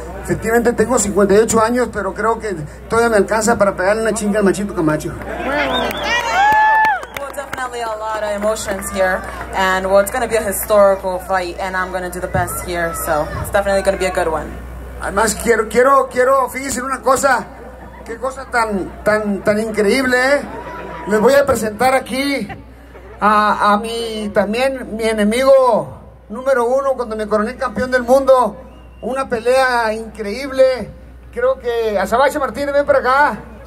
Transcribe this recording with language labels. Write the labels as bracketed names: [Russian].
[Spanish] Efectivamente tengo 58 años, pero creo que todavía me alcanza para pegarle una chinga al Machito Camacho. [English] Well, definitely a lot of emotions here, and well, it's going to be a historical fight, and I'm going to do the best here, so it's definitely going to be a good one. [Spanish] Además, quiero fíjense en una cosa, qué cosa tan increíble, ¿eh? Les voy a presentar aquí a mi, también mi enemigo número uno cuando me coroné campeón del mundo. Una pelea increíble. Creo que Azabache Martínez, ven para acá.